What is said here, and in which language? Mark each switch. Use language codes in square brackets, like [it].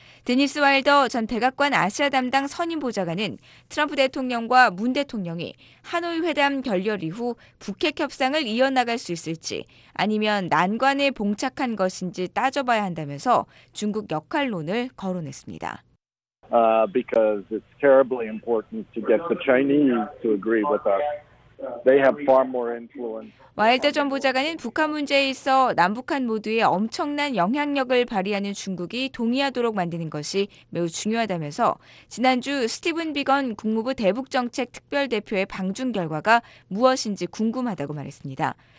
[ko] 데니스 와일더 전 백악관 아시아 담당 선임 보좌관은 트럼프 대통령과 문 대통령이 하노이 회담 결렬 이후 북핵 협상을 이어나갈 수 있을지 아니면 난관에 봉착한 것인지 따져봐야 한다면서 중국 역할론을 거론했습니다. [en] Because it's terribly important to get the Chinese to agree with us. They have far more influence. [ko] 와일드 전 보좌관은 북한 문제에 있어 남북한 모두의 엄청난 영향력을 발휘하는 중국이 동의하도록 만드는 것이 매우 중요하다면서 지난주 스티븐 비건 국무부 대북정책특별대표의 방중 결과가 무엇인지 궁금하다고 말했습니다.